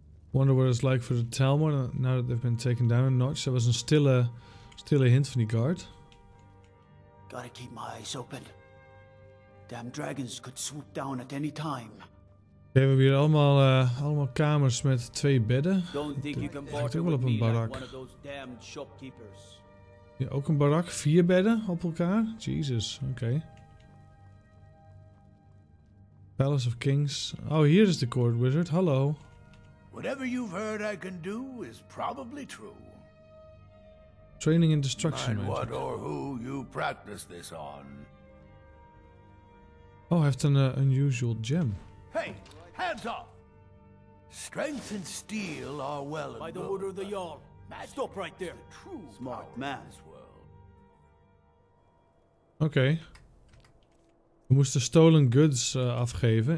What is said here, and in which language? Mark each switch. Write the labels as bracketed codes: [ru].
[en] Wonder what it's like for the Talmor now that they've been taken down a notch. There was [nl] een stille hint van die guard. [en] Gotta keep my eyes open. Damn dragons could swoop down at any time. [nl] We hebben hier allemaal kamers met twee bedden. [en] Don't think you can barter with me like one of those damned shopkeepers. [nl] Ja, ook een barak. Vier bedden op elkaar. Jesus, oké. Palace of Kings. Oh, hier is de court wizard. Hallo. [en] Whatever you've heard I can do is probably true. Training in destruction magic. Mind what or who you practice this on. [nl] Oh, heeft een [en] unusual gem. Hey, hands off! Strength and steel are well by the order of the Jarl. Stop right there. True smart man. [nl] Oké. Okay. We moesten [en] stolen goods [nl] afgeven.